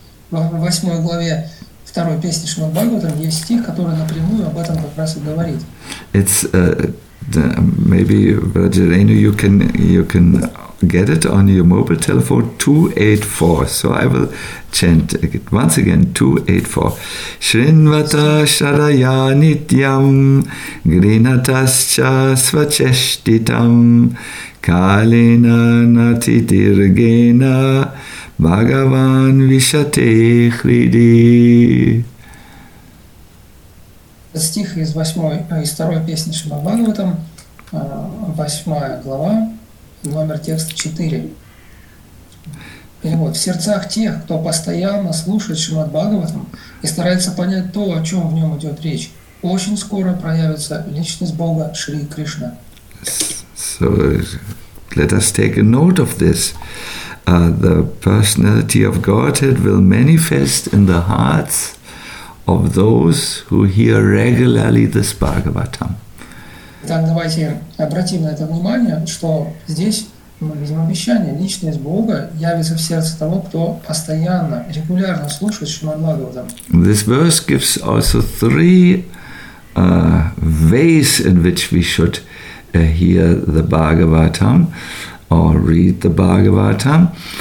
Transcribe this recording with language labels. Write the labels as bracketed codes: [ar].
[ru] В 8 главе второй песни Шримад Бхагаватам есть стих, который напрямую об этом как раз и говорит. [en] It's Maybe Virgilene, you can get it on your mobile telephone, 284. So I will chant it once again, 284. [sa] Shrinvata Sharaya Nityam Grinatascha Svacheshtitam Kalina Nati Dirgena Bhagavan Vishate Hridi. [ru] Стих из второй песни Шримад-Бхагаватам, 8 глава, номер текста 4. Перевод. В сердцах тех, кто постоянно слушает Шримад-Бхагаватам и старается понять то, о чем в нем идет речь, очень скоро проявится личность Бога Шри Кришна. [en] So, let us take a note of this. The personality of Godhead will manifest in the hearts of those who hear regularly this Bhagavatam. [ru] Так, давайте обратим на это внимание, что здесь мы видим обещание. Личность Бога явится в сердце того, кто постоянно, регулярно слушает Шримад-Бхагаватам. [en] This verse gives also three ways in which we should hear the Bhagavatam or read the Bhagavatam.